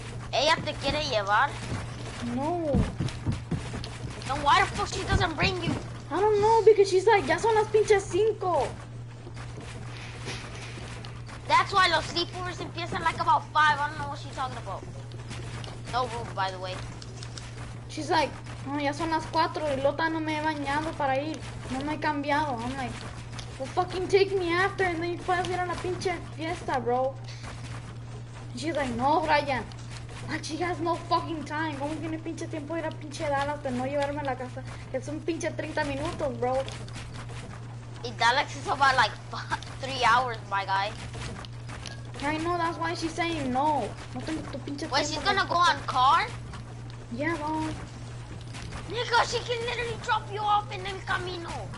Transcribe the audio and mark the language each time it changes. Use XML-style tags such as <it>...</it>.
<es>Ella te quiere llevar? No.</es> <en>Then why the fuck she doesn't bring you? I don't know, because she's like,</en> <es>ya son las pinches cinco.</es> <en>That's why</en> <es>los sleepovers empiezan</es> <en>like about five. I don't know what she's talking about. No room, by the way. She's like,</en> <es>no, ya son las cuatro y Lota no me he bañado para ir. No me he cambiado.</es> <en>I'm like, well, fucking take me after and then you</en> <es>puedes ir a la pinche fiesta,</es> <en>bro. And she's like, no, Brian. Like, she has no fucking time.</en> <es>¿Cómo tiene pinche tiempo ir a pinche Dallas de no llevarme a la casa? Es un pinche 30 minutos, bro.</es> <en>Y Dallas is about like 3 hours, my guy. I know, that's why she's saying no.</en> <es>No tengo tu pinche</es> <en>tiempo. Wait, she's gonna go on car? Yeah, bro. Nico, she can literally drop you off in El Camino.</en>